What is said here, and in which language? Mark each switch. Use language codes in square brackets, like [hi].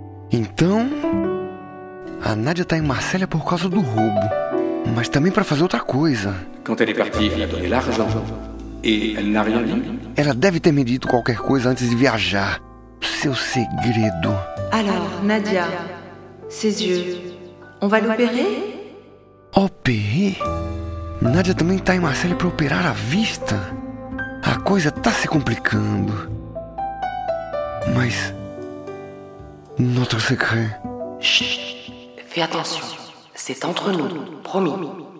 [pt] Então, a Nadia está em Marselha por causa do roubo. Mas também para fazer outra coisa. Quando ela é partida, ela deu [fr] l'argent. [pt] E ela não [fr] rien dit. [pt] Ela deve ter me dito qualquer coisa antes de viajar. Seu segredo. [fr] Alors, Nadia, ses yeux, on va l'opérer? Opérer? [pt] Nadia também está em Marseille para operar a vista? A coisa está se complicando. Mas. [fr] Notre secret. Chut! Fais attention. C'est entre nous, promis.